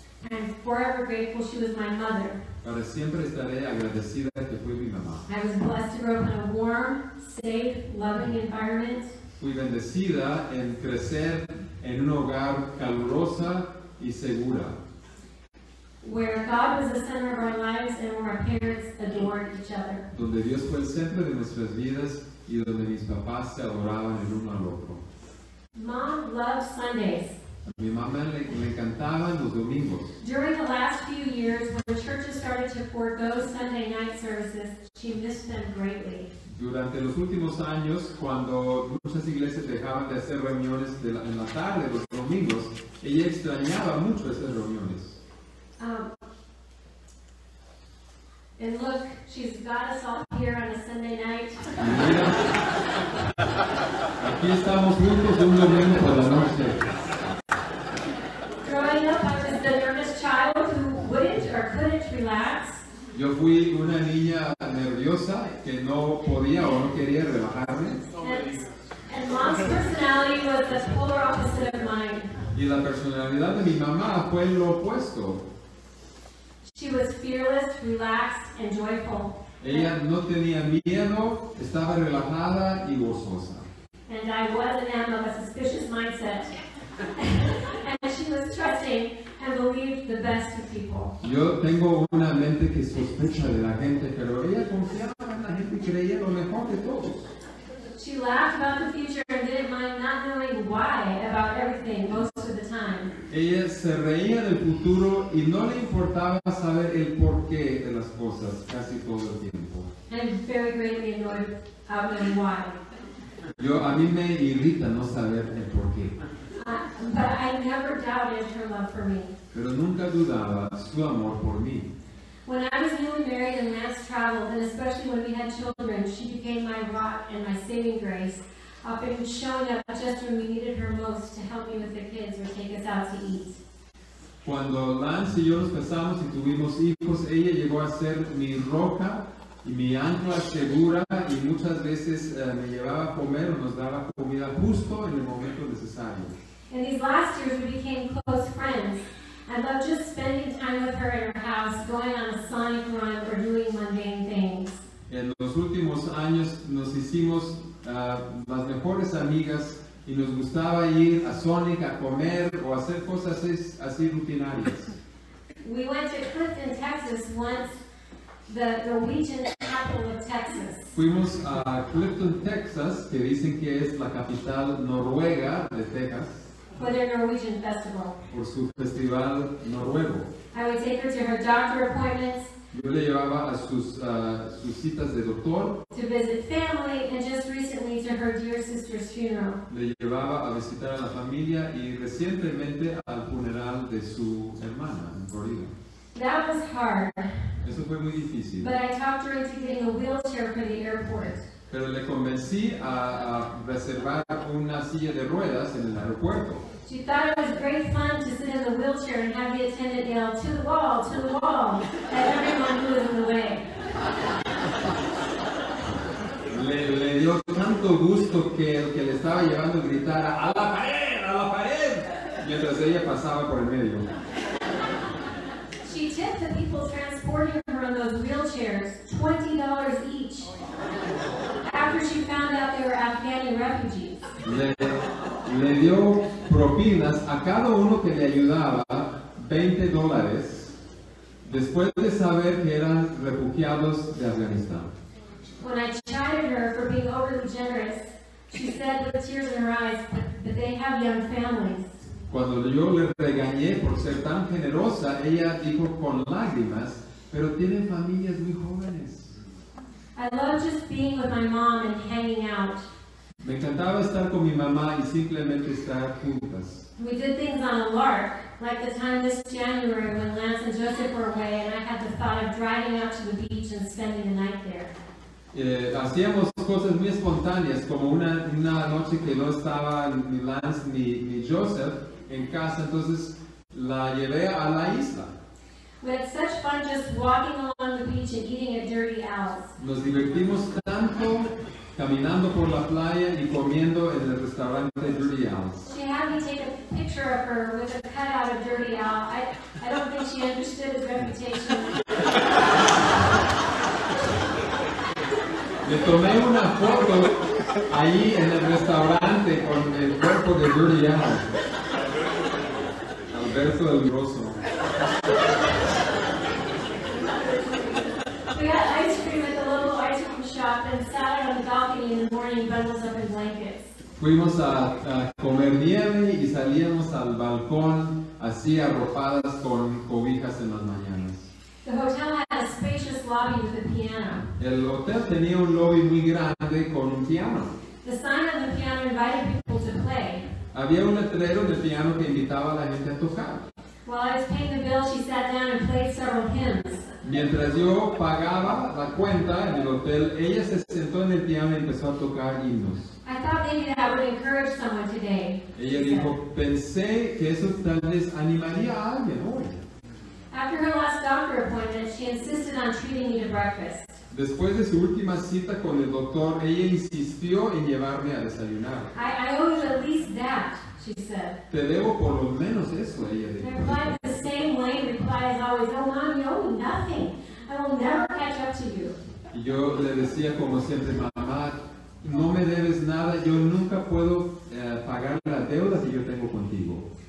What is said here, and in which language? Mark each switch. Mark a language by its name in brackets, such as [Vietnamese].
[English] I'm forever grateful she was my mother. [Spanish] Para siempre estaré agradecida que fue mi mamá. [English] I was blessed to grow up in a warm, safe, loving environment. [Spanish] Fui bendecida en crecer en un hogar calurosa y segura. [English] Where God was the center of our lives and where our parents adored each other. [Spanish] Donde Dios fue el centro de nuestras vidas y donde mis papás se adoraban el uno al otro. [English] Mom loved Sundays. [Spanish] A mi mamá le encantaban los domingos. [English] During the last few years, when the churches started to forego Sunday night services, she missed them greatly. [Spanish] Durante los últimos años, cuando muchas iglesias dejaban de hacer reuniones en la tarde, los domingos, ella extrañaba mucho esas reuniones. [English] And look, she's got us all here on a Sunday night. [Spanish] Aquí estamos juntos un domingo por la noche. [English] Growing up, I was the nervous child who wouldn't or couldn't relax. [Spanish] Yo fui una niña nerviosa que no podía o no quería relajarme. [English] And mom's personality was the polar opposite of mine. [Spanish] Y la personalidad de mi mamá fue lo opuesto. [English] She was fearless, relaxed, and joyful. [Spanish] Ella no tenía miedo, estaba relajada y gozosa. [English] And I was an am of a suspicious mindset. And she was trusting and believed the best of people. [Spanish] Yo tengo una mente que sospecha de la gente, pero ella confiaba en la gente y creía lo mejor de todos. [English] She laughed about the future and didn't mind not knowing why about everything most of the time. [Spanish] Ella se reía del futuro y no le importaba saber el porqué de las cosas casi todo el tiempo. [English] And very greatly annoyed about knowing why. [Spanish] Yo, a mí me irrita no saber el porqué. [English] But I never doubted her love for me. [Spanish] Pero nunca dudaba su amor por mí. [English] When I was newly married and mass traveled, and especially when we had children, she became my rock and my saving grace, often showing up just when we needed her most to help me with the kids or take us out to eat. [Spanish] Cuando Lance y yo nos casamos y tuvimos hijos, ella llegó a ser mi roca y mi ancla segura, y muchas veces me llevaba a comer o nos daba comida justo en el momento necesario. [English] In these last years, we became close friends. I loved just spending time with her in her house, going on a sonic run or doing mundane things. [Spanish] En los últimos años, nos hicimos las mejores amigas y nos gustaba ir a Sonic a comer o hacer cosas así rutinarias. [English] We went to Clifton, Texas once. The Norwegian capital of Texas. [Spanish] Fuimos a Clifton, Texas, que dicen que es la capital noruega de Texas. [English] For their Norwegian festival. [Spanish] Por su festival noruego. [English] I would take her to her doctor appointments. [Spanish] Yo le llevaba a sus citas de doctor. [English] To visit family, and just recently to her dear sister's funeral. [Spanish] Le llevaba a visitar a la familia y recientemente al funeral de su hermana en Florida. [English] That was hard. [Spanish] Eso fue muy difícil. [English] But I talked her into getting a wheelchair for the airport. [Spanish] Pero le convencí a reservar una silla de ruedas en el aeropuerto. [English] She thought it was great fun to sit in the wheelchair and have the attendant yell, to the wall, at everyone who was in the way. [Spanish] Le dio tanto gusto que el que le estaba llevando gritara, ¡a la pared, a la pared! Mientras ella pasaba por el medio. [English] She tipped the people transporting her on those wheelchairs $20 each after she found out they were Afghani refugees. [Spanish] Le dio propinas a cada uno que le ayudaba $20 después de saber que eran refugiados de Afganistán. [English] When I chided her for being overly generous, she said with tears in her eyes, but they have young families. [Spanish] Cuando yo le regañé por ser tan generosa, ella dijo con lágrimas, pero tiene familias muy jóvenes. [English] I loved just being with my mom and hanging out. [Spanish] Me encantaba estar con mi mamá y simplemente estar juntas. [English] We did things on a lark, like the time this January when Lance and Joseph were away and I had the thought of driving out to the beach and spending the night there. [Spanish] Hacíamos cosas muy espontáneas, como una noche que no estaba ni Lance ni Joseph en casa, entonces la llevé a la isla. [English] We had such fun just walking along the beach and eating at Dirty Al's. [Spanish] Nos divertimos tanto caminando por la playa y comiendo en el restaurante Dirty Al's. [English] She had me take a picture of her with a cutout of Dirty Al. I don't think she understood his reputation. [Spanish] Le tomé una foto ahí en el restaurante con el cuerpo de Dirty Al. Alberto el Grosso. [English] We had ice cream at the local ice cream shop and sat out on the balcony in the morning, bundles up in blankets. [Spanish] Fuimos a comer nieve y salíamos al balcón así arropadas con cobijas en las mañanas. [English] The hotel had a spacious lobby with a piano. [Spanish] El hotel tenía un lobby muy grande con un piano. [English] The sign on the piano invited people to play. [Spanish] Había un letrero de piano que invitaba a la gente a tocar. [English] While I was paying the bill, she sat down and played several hymns. [Spanish] Mientras yo pagaba la cuenta en el hotel, ella se sentó en el piano y empezó a tocar himnos. [English] I thought maybe that would encourage someone today. [Spanish] Ella dijo, pensé que eso tal vez animaría a alguien hoy. [English] After her last doctor appointment, she insisted on treating me to breakfast. [Spanish] Después de su última cita con el doctor, ella insistió en llevarme a desayunar. [English] I owe you at least that, she said. [Spanish] Te debo por lo menos eso, ella dijo. [English] I replied the same way, replied as always, oh mom, you owe me nothing. I will never catch up to you. [Spanish] Y yo le decía como siempre, mamá, no me debes nada, yo nunca puedo pagar la deuda que yo tengo contigo.